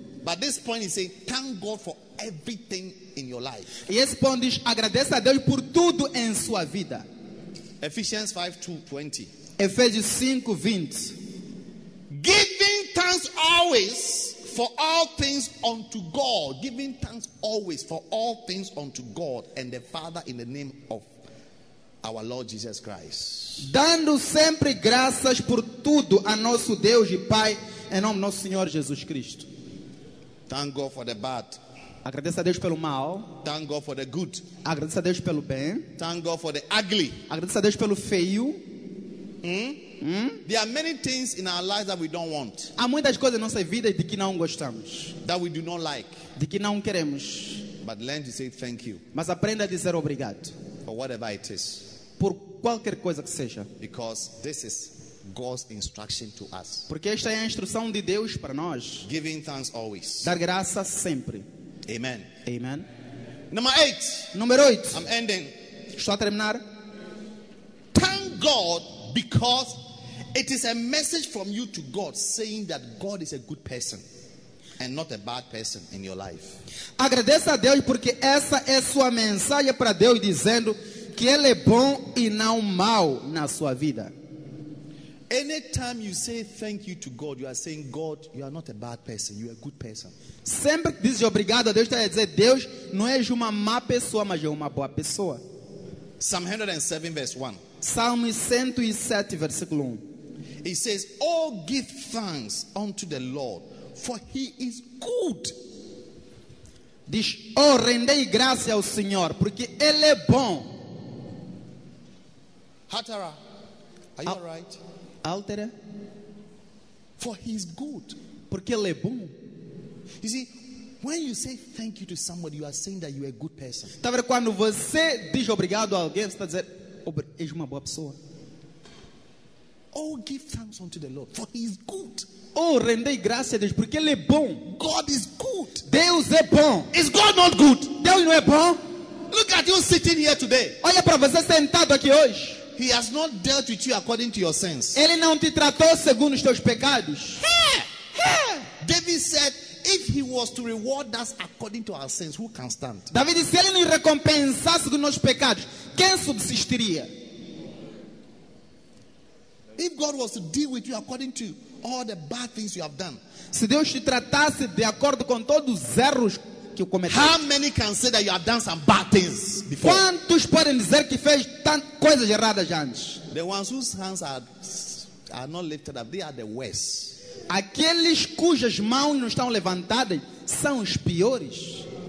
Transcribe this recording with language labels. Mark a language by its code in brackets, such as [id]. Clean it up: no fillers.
[en] But this point is saying, thank God for everything in your life. [pt] E esse ponto diz, agradeça a Deus por tudo em sua vida. [en] Ephesians 5:20. [pt] Efésios 5:20. [en] Giving thanks always for all things unto God. Giving thanks always for all things unto God and the Father in the name of our Lord Jesus Christ. [pt] Dando sempre graças por tudo a nosso Deus e Pai em nome do nosso Senhor Jesus Cristo. [en] Thank God for the bad. [pt] Agradeça a Deus pelo mal. [en] Thank God for the good. [pt] Agradeça a Deus pelo bem. [en] Thank God for the ugly. [pt] Agradeça a Deus pelo feio. [en] There are many things in our lives that we don't want. [pt] Há muitas coisas em nossa vida de que não gostamos. [en] That we do not like. [pt] De que não queremos. [en] But learn to say thank you. [pt] Mas aprenda a dizer obrigado. [en] For whatever it is. [pt] Por qualquer coisa que seja. [en] Because this is God's instruction to us. [pt] Porque esta é a instrução de Deus para nós. [en] Giving thanks always. [pt] Dar graça sempre. [en] Amen. [pt] Amen. [en] Number 8. [pt] Número 8. [en] I'm ending. [pt] Estou a terminar. [en] Thank God. Because it is a message from you to God saying that God is a good person and not a bad person in your life. [pt] Agradeça a Deus porque essa é sua mensagem para Deus dizendo que Ele é bom e não mal na sua vida. [en] Anytime you say thank you to God, you are saying, God, you are not a bad person, you are a good person. [pt] Sempre que dizes obrigado a Deus, está a dizer, Deus não é uma má pessoa, mas é uma boa pessoa. [en] Psalm 107:1. [pt] Salmo 107, versículo 1. [en] He says, "All give thanks unto the Lord, for he is good." [pt] Diz: "Oh, rendei graça ao Senhor, porque ele é bom." [en] Hatara, are you alright? Altera. For he is good. [pt] Porque ele é bom. [en] You see, when you say thank you to somebody, you are saying that you are a good person. [pt] Tá vendo? Quando você diz obrigado a alguém, você está dizendo, és uma boa pessoa. [en] Oh, give thanks unto the Lord, for he is good. [pt] Oh, rendei graça a Deus, porque ele é bom. [en] God is good. [pt] Deus é bom. [en] Is God not good? [pt] Deus não é bom? [en] Look at you sitting here today. [pt] Olha para você sentado aqui hoje. [en] He has not dealt with you according to your sins. [pt] Ele não te tratou segundo os teus pecados. [en] David said, if he was to reward us according to our sins, who can stand? [pt] David disse, se ele nos recompensasse segundo os nossos pecados, quem subsistiria? [en] If God was to deal with you according to all the bad things you have done, [pt] se Deus te tratasse de acordo com todos os erros que cometeu, [en] how many can say that you have done some bad things before? [pt] Quantos podem dizer que fez tantas coisas erradas antes? [en] The ones whose hands are not lifted up, they are the worst. [pt] Aqueles cujas mãos não estão levantadas são os piores.